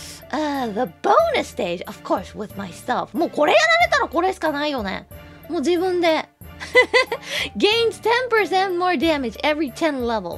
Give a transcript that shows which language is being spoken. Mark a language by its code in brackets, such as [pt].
[en] the bonus stage, of course, with myself. [ja] もうこれやられたらこれしかないよね。もう自分で。 [en] Gains 10% more damage every 10 levels.